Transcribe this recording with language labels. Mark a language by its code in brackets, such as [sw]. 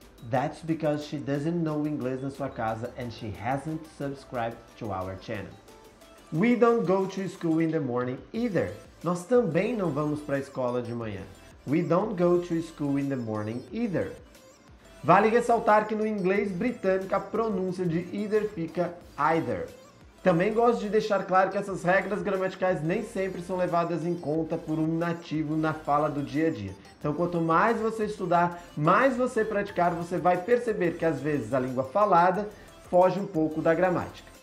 [en] That's because she doesn't know English [pt] na sua casa [en] and she hasn't subscribed to our channel. We don't go to school in the morning either. [pt] Nós também não vamos para a escola de manhã. [en] We don't go to school in the morning either. [pt] Vale ressaltar que no inglês britânico a pronúncia de either fica either. Também gosto de deixar claro que essas regras gramaticais nem sempre são levadas em conta por um nativo na fala do dia a dia. Então, quanto mais você estudar, mais você praticar, você vai perceber que às vezes a língua falada foge um pouco da gramática.